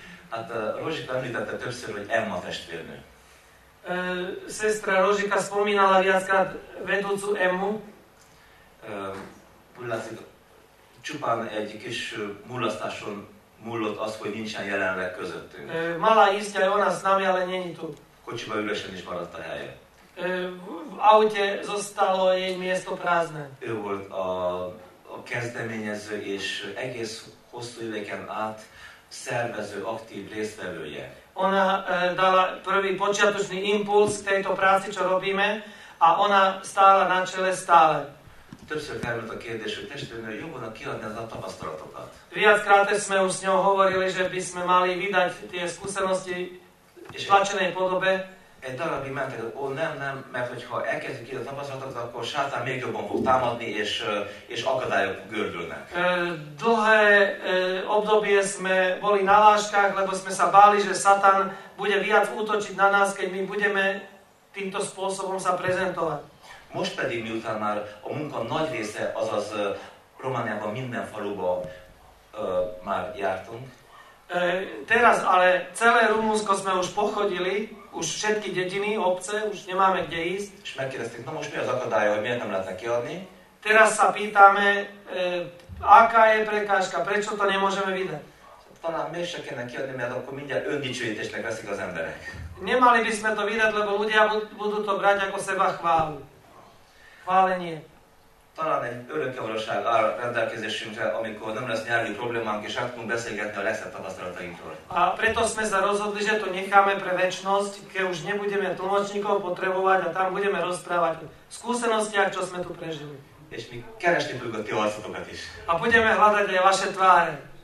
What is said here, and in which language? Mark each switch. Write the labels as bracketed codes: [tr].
[hu] Hát Rózsika említette többször, hogy Emma testvérnő. [sk] Sestra Rózsika spomínala viackrát vedúcu Emmu. [hu] Úgy látszik, csupán egy kis mulasztáson múlott az, hogy nincsen jelenleg közöttünk. [sk] Mala istja, ona s nami, ale není tu. [hu] Kocsiba üresen is maradt a helye. [sk] V aute zostalo jej miesto prázdne. [hu] Ő volt a kezdeményező és egész hosszú éveken át szervező, aktív résztvevője. [sk] Ona dala prvý počiatočný impuls k tejto práci, čo robíme, a ona stála na čele stále. [hu] Többször felmerült a kérdés, hogy testvérnő, jó volna kiadni az a tapasztalatokat. [sk] Viackrát sme už s ňou hovorili, že by sme mali vydať tie skúsenosti v tlačenej podobe. [hu] Egy darabig mentek, ó, nem, mert hogyha elkezdjük ki a tapasztalatokat, akkor sátán még jobban fog támadni, és akadályok gördülnek. [sk] Dlhé obdobie sme boli na láškách, lebo sme sa báli, že Satan bude viac útočiť na nás, keď my budeme týmto spôsobom sa prezentovať. [hu] Most pedig, miután már a munka nagy része, azaz Romániában minden faluban már jártunk. [sk] Teraz ale celé Rumunsko sme už pochodili, už všetky dediny, obce, už nemáme kde ísť. [hu] És megkérdeztük, no most mi az akadály, hogy miért nem lehetne kiadni? [sk] Teraz sa pýtame, aká je prekážka, prečo to nemôžeme vydať? [hu] Talán miért se kéne kiadni, mert akkor mindjárt öndicsőítésnek veszik az emberek. [sk] Nemali by sme to vydať, lebo ľudia budú to brať ako seba chválu. Válenie. [hu] Talán egy örökkévalóság áll rendelkezésünkre, amikor nem lesz nyelvi problémánk, és akkor beszélgetni a legszebb tapasztalatainkról. [sk] A preto sme sa rozhodli, že to necháme pre večnosť, keď už nebudeme tlmočníkov potrebovať a tam budeme rozprávať o skúsenostiach, čo sme tu prežili. [hu] És mi keresni fogjuk a ti arcotokat is. [sk] A budeme hľadať aj vaše tváre.